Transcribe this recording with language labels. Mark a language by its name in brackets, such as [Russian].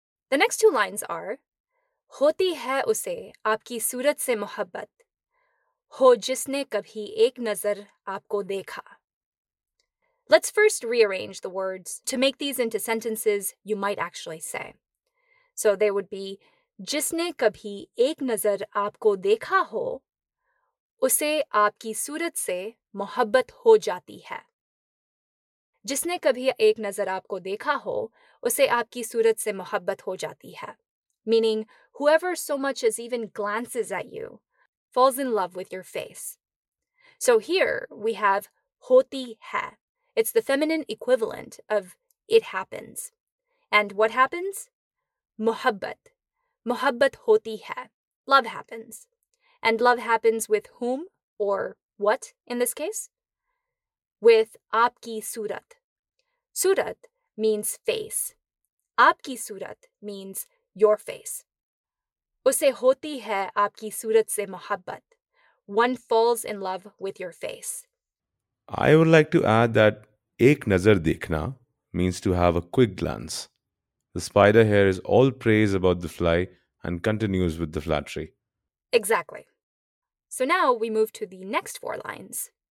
[English] The next two lines are, [Urdu] ہوتی ہے اسے آپ کی صورت سے محبت، ہو جس نے کبھی ایک نظر آپ کو دیکھا۔ [English] Let's first rearrange the words to make these into sentences you might actually say. So they would be, [Urdu] جس نے کبھی ایک نظر آپ کو دیکھا ہو، اسے آپ کی صورت سے محبت ہو جاتی ہے۔ جس نے کبھی ایک نظر آپ کو دیکھا ہو، اسے آپ کی صورت سے محبت ہو جاتی ہے۔ [English] Meaning, whoever so much as even glances at you falls in love with your face. So here we have [Urdu] ہوتی ہے۔ [English] It's the feminine equivalent of it happens. And what happens? [Urdu] محبت۔ محبت ہوتی ہے۔ [English] Love happens. And love happens with whom or what in this case? With [Urdu] aapki surat. [English] صورت means face. [Urdu] Aapki surat [English] means your face. [Urdu] اسے ہوتی ہے آپ کی صورت سے محبت۔ [English] One falls in love with your face. I would like to add that [Urdu] ek nazar dekhna [English] means to have a quick glance. The spider here is all praise about the fly and continues with the flattery. Exactly. So now we move to the next four lines.